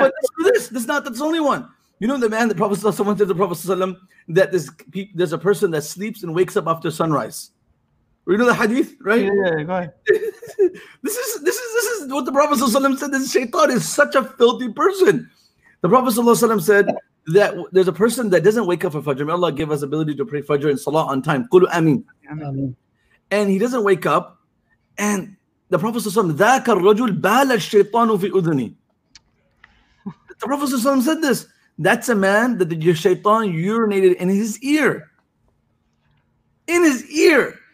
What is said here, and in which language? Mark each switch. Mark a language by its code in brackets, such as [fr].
[en] but this is not the only one. You know, the man, the Prophet, someone said to the Prophet that there's a person that sleeps and wakes up after sunrise. You know the hadith, right? Yeah, go ahead. this is what the Prophet said. This shaitan is such a filthy person. The Prophet said that there's a person that doesn't wake up for Fajr. May Allah give us ability to pray Fajr and Salah on time. Qul Amin. And he doesn't wake up. And the Prophet [ar] ذَاكَ الرَّجُلْ بَالَ الشَّيْطَانُ فِي أُذْنِي. [en] The Prophet said this. That's a man that the shaitan urinated in his ear. In his ear.